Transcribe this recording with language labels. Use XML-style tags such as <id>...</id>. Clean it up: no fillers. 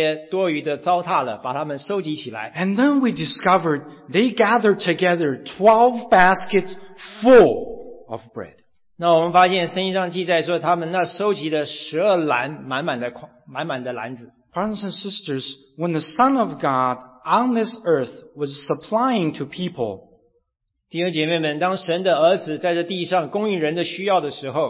<zh>然后主耶稣基督说，不要把那些多余的糟蹋了，把它们收集起来。</zh> <en>And then we discovered they gathered together 12 baskets full of bread.</en> <zh>那我们发现圣经上记载说，他们那收集了12篮满满的篮子。</zh> <en>Brothers and sisters, when the Son of God on this earth was supplying to people,</en> <zh>弟兄姐妹们，当神的儿子在这地上供应人的需要的时候，</zh>